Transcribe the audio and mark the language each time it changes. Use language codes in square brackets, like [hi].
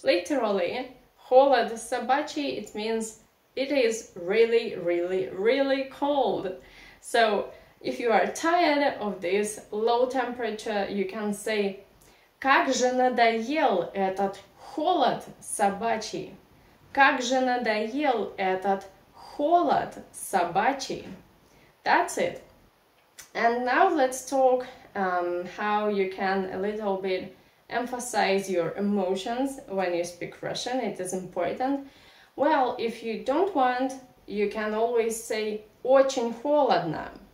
[en] Literally, [ru] холод собачий, [en] it means it is really, really, really cold. So if you are tired of this low temperature, you can say, [ru] как же надоел этот холод собачий. Как же надоел этот холод собачий. [en] That's it. And now let's talk how you can a little bit emphasize your emotions when you speak Russian. It is important. Well, if you don't want, you can always say [ru] очень холодно.